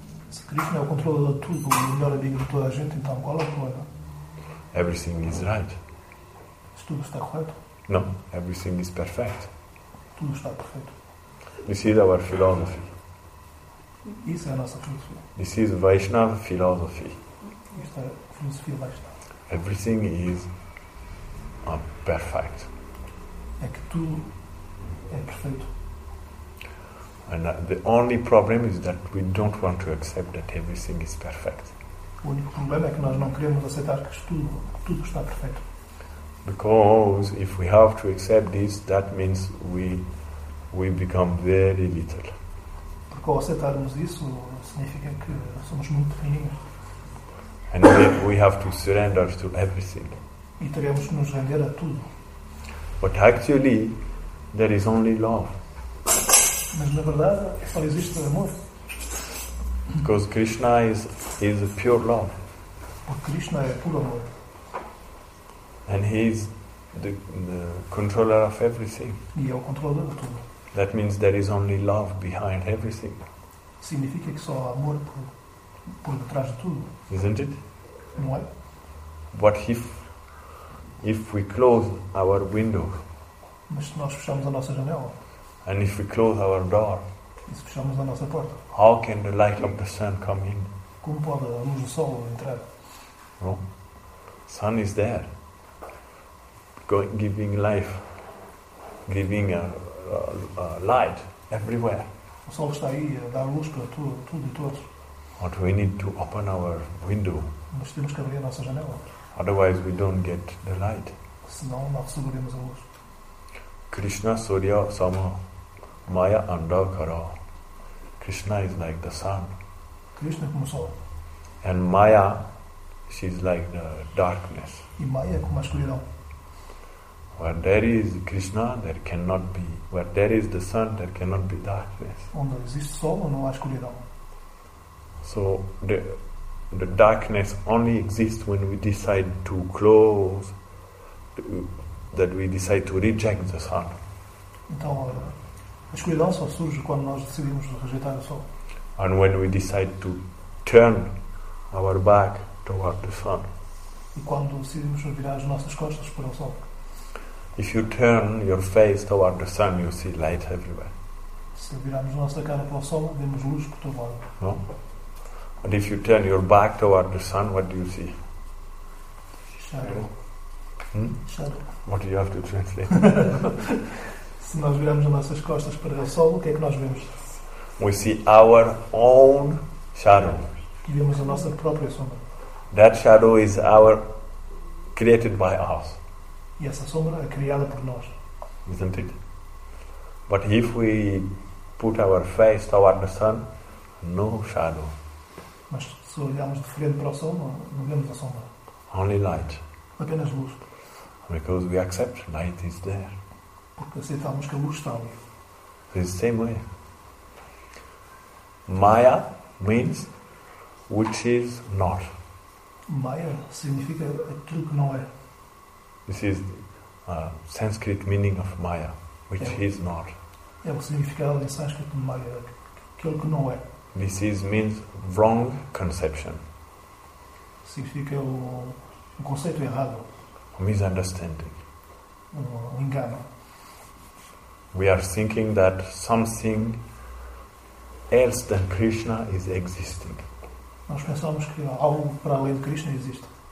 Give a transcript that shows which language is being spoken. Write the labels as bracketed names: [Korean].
[Portuguese] Se Krishna é o controlador de tudo, o melhor amigo de toda a gente, então qual é o problema? [English] Everything is right. [Portuguese] Se tudo está correto? [English] No, everything is perfect. [Portuguese] Tudo está perfeito. [English] This is our philosophy. [Portuguese] Isso é a nossa filosofia. [English] This is Vaishnava philosophy. [Portuguese] Isto é a filosofia Vaishnava. [English] Everything is perfect. [Portuguese] É que tudo é perfeito. [English] And the only problem is that we don't want to accept that everything is perfect. [Portuguese] O único problema é que nós não queremos aceitar que tudo está perfeito. [English] Because if we have to accept this, that means we become very little. [Portuguese] Porque ao aceitarmos isso, significa que somos muito pequeninos. [English] And we have to surrender to everything. [Portuguese] E teremos que nos render a tudo. [English] But actually, there is only love. [Portuguese] Mas na verdade, só existe amor. [English] Because Krishna is a pure love. [Portuguese] Porque Krishna é puro amor. [English] And he is the controller of everything. [Portuguese] E é o controlador de tudo. [English] That means there is only love behind everything. [Portuguese] Significa que só há amor por detrás de tudo. [English] Isn't it? [Portuguese] Não é? [English] What if we close our window? [Portuguese] Mas se nós fechamos a nossa janela? [English] And if we close our door? [Portuguese] E se fechamos a nossa porta? [English] How can the light of the sun come in? [Portuguese] Como pode a luz do sol entrar? [English] No. Sun is there. Giving life. Giving a light everywhere. [Portuguese] O sol está aí a dar luz para tudo e todos. [English] But we need to open our window. [Portuguese] Nós temos que abrir a nossa janela. [English] Otherwise we don't get the light. [Portuguese] Senão não receberemos a luz. [Sanskrit] Krishna Surya Sama Maya Andhakara. [English] Krishna is like the sun. [Portuguese] Krishna como o sol. [English] And Maya, she is like the darkness. [Portuguese] E Maya como a escuridão. [English] Where there is Krishna, there cannot be. Where there is the sun, there cannot be darkness. [Portuguese] Onde existe sol, não há escuridão. [English] So the darkness only exists when we decide to close, that we decide to reject the sun. [Portuguese] Então, a escuridão só surge quando nós decidimos rejeitar o sol. [English] And when we decide to turn our back toward the sun. [Portuguese] e quando decidimos virar as nossas costas para o sol. [English] If you turn your face toward the sun, you see light everywhere. [Portuguese] Se virarmos a nossa cara para o sol, vemos luz por todo lado. [English] No? And if you turn your back toward the sun, what do you see? Shadow. Shadow. What do you have to translate? [Portuguese] Se nós virarmos as nossas costas para o sol, o que é que nós vemos? [English] We see our own shadow. [Portuguese] E vemos a nossa própria sombra. [English] That shadow is our created by us. [Portuguese] E essa sombra é criada por nós. [English] Isn't it? But if we put our face toward the sun, no shadow. [Portuguese] Mas se olharmos de frente para o sol, não vemos a sombra. [English] Only light. [Portuguese] Apenas luz. [English] Because we accept light is there. [Portuguese] Porque aceitamos que a luz está ali. [English] It's the same way. Maya means which is not. [Portuguese] Maya significa aquilo que não é. [English] This is the Sanskrit meaning of Maya, which is not. [Portuguese] É o significado em sânscrito de Maya, aquilo que não é. [English] This is means wrong conception. [Portuguese] Significa o conceito errado. [English] A misunderstanding. [Portuguese] Um engano. [English] We are thinking that something else than Krishna is existing. [Portuguese] Nós pensamos que algo para além de Krishna existe.